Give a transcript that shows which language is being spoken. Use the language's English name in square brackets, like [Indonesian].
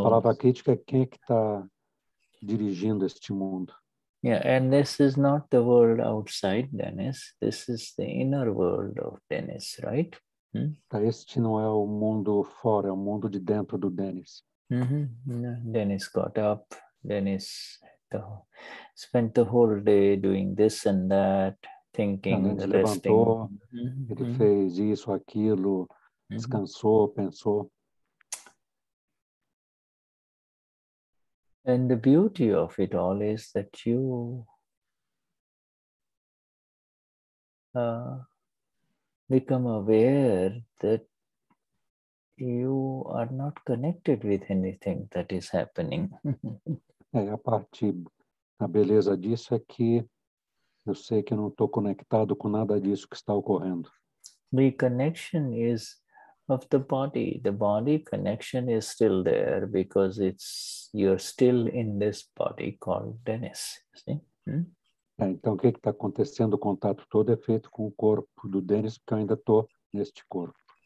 [Portuguese] A palavra crítica é quem é que está dirigindo este mundo. [English] Yeah, and this is not the world outside Dennis. This is the inner world of Dennis, right? [Portuguese] Este não é o mundo fora, é o mundo de dentro do Dennis. [English] Dennis got up, Dennis spent the whole day doing this and that, thinking, [Portuguese] ele levantou, mm-hmm. ele fez isso, aquilo, mm-hmm. descansou, pensou. [English] And the beauty of it all is that you become aware that you are not connected with anything that is happening. [Portuguese] É, a parte, a beleza disso é que eu sei que eu não estou conectado com nada disso que está ocorrendo. [English] The connection is of the body. The body connection is still there because it's you're still in this body called Dennis. See? [Portuguese] Hmm? É, então, o que está acontecendo? O contato todo é feito com o corpo do Dennis, porque eu ainda estou neste corpo.